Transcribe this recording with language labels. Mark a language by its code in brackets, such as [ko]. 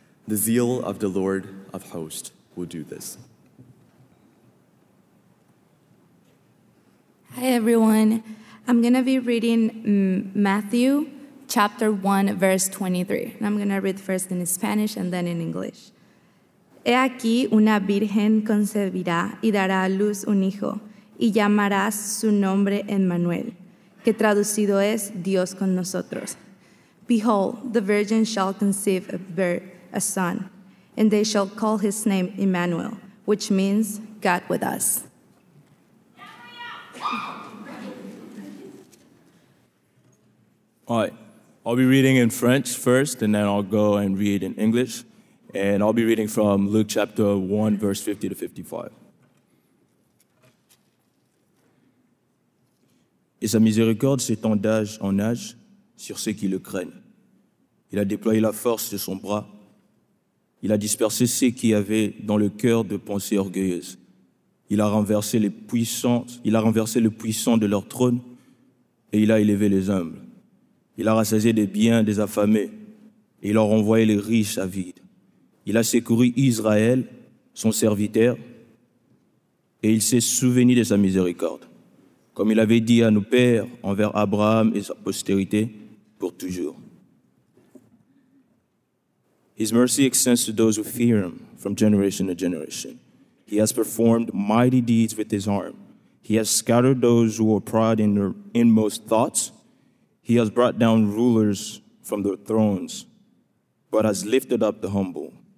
[en] The zeal of the Lord of hosts will do this. Hi, everyone. I'm going to be reading Matthew Chapter 1, verse 23. And I'm going to read first in Spanish and then in English. [es] He aquí una virgen concebirá y dará a luz un hijo, y llamarás su nombre Emmanuel, que traducido es Dios con nosotros. [en] Behold, the virgin shall conceive a son, and they shall call his name Emmanuel, which means God with us. All right. I'll be reading in French first, and then I'll go and read in English. And I'll be reading from Luke chapter 1, verse 50 to 55. [fr] Et sa miséricorde s'étend d'âge en âge sur ceux qui le craignent. Il a déployé la force de son bras. Il a dispersé ceux qui avaient dans le cœur de pensées orgueilleuses. Il a renversé le puissant de leur trône et il a élevé les humbles. Il a rassasié des biens des affamés et il a renvoyé les riches à vide. Il a secouru Israël, son serviteur, et il s'est souvenu de sa miséricorde, comme il avait dit à nos pères envers Abraham et sa postérité pour toujours. [en] His mercy extends to those who fear him from generation to generation. He has performed mighty deeds with his arm. He has scattered those who are proud in their inmost thoughts. He has brought down rulers from their thrones, but has lifted up the humble.